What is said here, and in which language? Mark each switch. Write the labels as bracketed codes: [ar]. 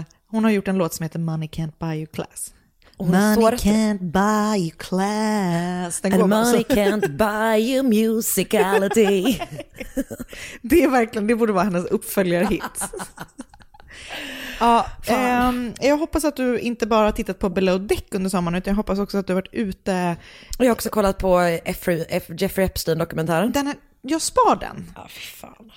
[sv] Hon har gjort en låt som heter Money Can't Buy You Class. [en] Money can't buy you class. And money can't buy you musicality. [sv] Det är verkligen, det borde vara hennes uppföljare hit. Ja, jag hoppas att du inte bara tittat på Below Deck under sommaren, utan jag hoppas också att du har varit ute. Jag har också kollat på Jeffrey Epstein-dokumentären. Jag spar den. Oh, fan.